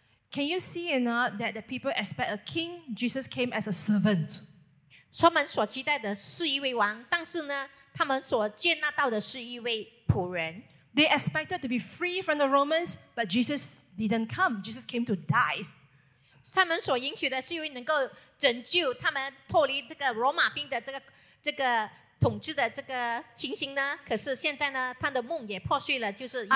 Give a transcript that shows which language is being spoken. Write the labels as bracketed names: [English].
[English] Can you see or not that the people expect a king? Jesus came as a servant. [Chinese] 他们所期待的是一位王，但是呢，他们所接纳到的是一位仆人。 [English] They expected to be free from the Romans, but Jesus didn't come. Jesus came to die. [Chinese] 他们所应许的是因为能够拯救他们脱离这个罗马兵的这个统治的这个情形呢。可是现在呢，他的梦也破碎了，就是因为